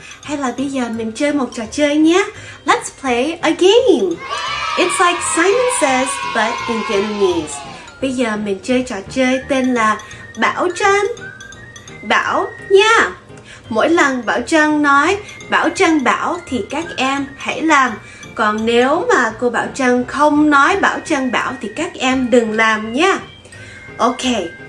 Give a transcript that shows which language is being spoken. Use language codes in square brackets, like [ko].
[vi] Hay là bây giờ mình chơi một trò chơi nhé. [en] Let's play a game. It's like Simon Says, but in Vietnamese. [vi] Bây giờ mình chơi trò chơi tên là Bảo Trân. Bảo nha. Mỗi lần Bảo Trân nói Bảo Trân bảo thì các em hãy làm. Còn nếu mà cô Bảo Trân không nói Bảo Trân bảo thì các em đừng làm nha. Okay.